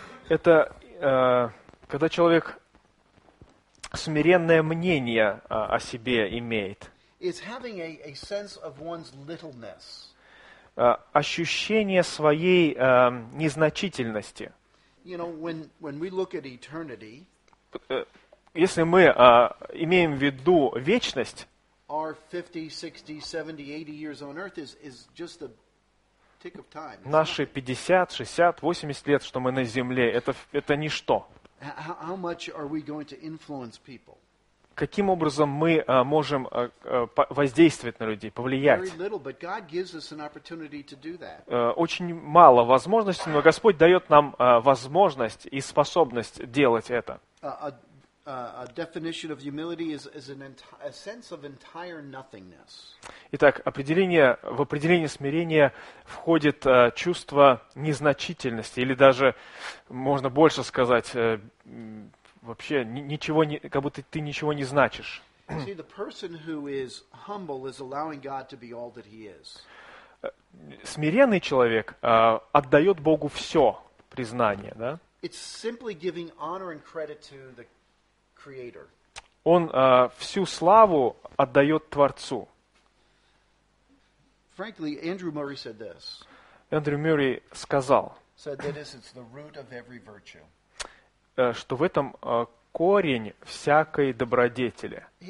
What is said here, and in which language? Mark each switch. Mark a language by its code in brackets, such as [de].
[ru] Это когда человек смиренное мнение о себе имеет. [en] It's having a sense of one's littleness. [ru] Ощущение своей незначительности. [en] You know, when we look at eternity, [ru] если мы имеем в виду вечность, [en] our 50, 60, 70, 80 years on earth is just a tick of time. [ru] Наши 50, 60, 80 лет, что мы на земле, это ничто. [en] How much are we going to influence people? [ru] Каким образом мы можем воздействовать на людей, повлиять? Очень мало возможностей, но Господь дает нам возможность и способность делать это. Итак, в определение смирения входит чувство незначительности, или даже, можно больше сказать, вообще ничего не, как будто ты ничего не значишь. [en] See, the person who is humble is allowing God to be all that he is. [ru] Смиренный человек отдает Богу все признание, да? [en] It's simply giving honor and credit to the Creator. [ru] Он всю славу отдает Творцу. [en] Frankly, Andrew Murray said this. [ru] Эндрю Мюррей сказал, что в этом корень всякой добродетели.